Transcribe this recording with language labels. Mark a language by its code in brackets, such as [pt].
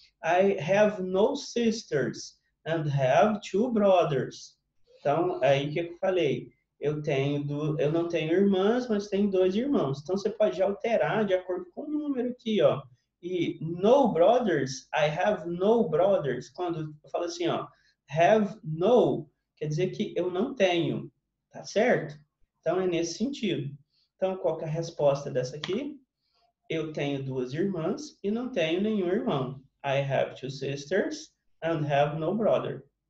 [en] I have no sisters and have two brothers. [pt] Então, aí que eu falei, eu não tenho irmãs, mas tenho dois irmãos. Então, você pode alterar de acordo com o número aqui, ó. [en] E no brothers, I have no brothers. [pt] Quando eu falo assim, ó, have no, quer dizer que eu não tenho, tá certo? Então é nesse sentido. Então, qual que é a resposta dessa aqui? Eu tenho duas irmãs e não tenho nenhum irmão. [en] I have two sisters and have no brother.